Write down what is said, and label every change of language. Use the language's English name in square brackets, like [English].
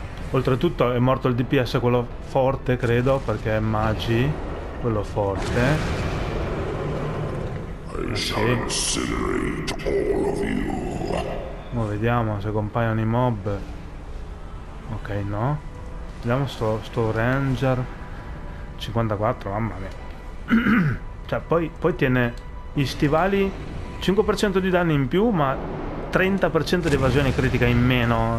[Italian] Oltretutto è morto il DPS, quello forte, credo, perché è magi, quello forte. [English] I [Italian] Sì. [English] shall incinerate all of you. [Italian] Ora vediamo se compaiono i mob. Ok, no. Vediamo sto Ranger. 54, mamma mia. Cioè, poi tiene gli stivali 5% di danni in più, ma 30% di evasione critica in meno.